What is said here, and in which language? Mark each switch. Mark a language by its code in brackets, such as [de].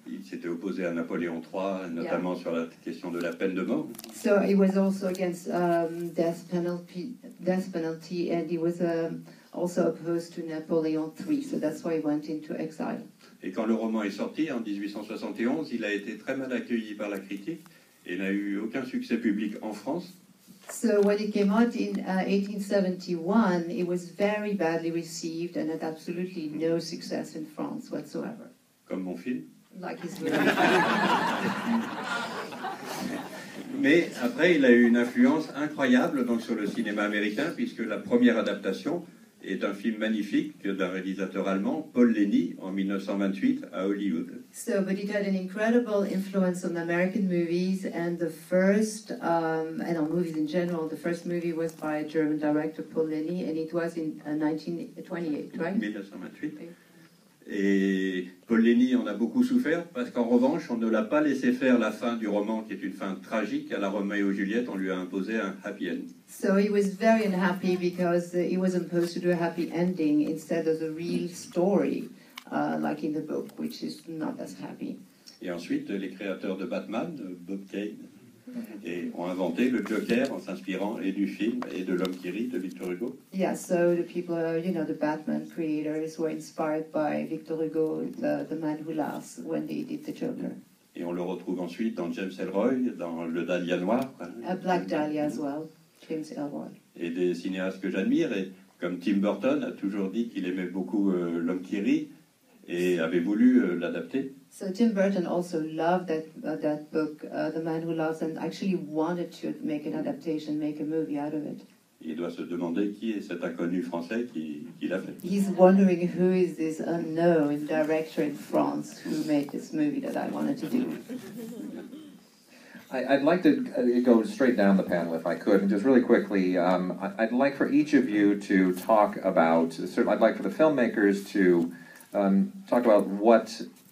[fr] Il s'était opposé à Napoléon III, notamment sur la question de la peine de mort. [en] So he was also against death penalty, and he was also opposed to Napoléon III. So that's why he went into exile. [fr] Et quand le roman est sorti en 1871, il a été très mal accueilli par la critique et n'a eu aucun succès public en France. [en] So when it came out in 1871, it was very badly received and had absolutely no success in France whatsoever. [fr] Comme mon film. [en] Like his movie. [fr] Mais après, il a eu une influence incroyable donc, sur le cinéma américain, puisque la première adaptation est un film magnifique d'un réalisateur allemand, Paul Leni, en 1928 à Hollywood. [en] So, but it had an incredible influence on American movies, and the first, and on movies in general, the first movie was by a German director, Paul Leni, and it was in 1928, right? [fr] 1928. Et Paul Leni en a beaucoup souffert, parce qu'en revanche, on ne l'a pas laissé faire la fin du roman, qui est une fin tragique, à la Roméo et Juliette, on lui a imposé un happy end. [en] So he was very unhappy because he was imposed to do a happy ending instead of the real story, like in the book, which is not as happy. [fr] Et ensuite, les créateurs de Batman, Bob Kane, et ont inventé le Joker en s'inspirant et du film et de l'homme qui rit de Victor Hugo. [en] Yeah, so the people, you know, the Batman creators were inspired by Victor Hugo, the man who laughs, when they did the Joker. [fr] Et on le retrouve ensuite dans James Ellroy, dans Le Dahlia Noir. [en] A Black Dahlia as well. [fr] Et des cinéastes que j'admire, et comme Tim Burton a toujours dit qu'il aimait beaucoup L'homme qui rit et avait voulu l'adapter. [en] So Tim Burton also loved that book, The Man Who Laughs, and actually wanted to make an adaptation, make a movie out of it. [fr] Il doit se demander qui est cet inconnu français qui l'a fait. [en] He's wondering who is this unknown director in France who made this movie that I wanted to do. I'd like to go straight down the panel, if I could, and just really quickly, I'd like for each of you to talk about, certainly I'd like for the filmmakers to talk about what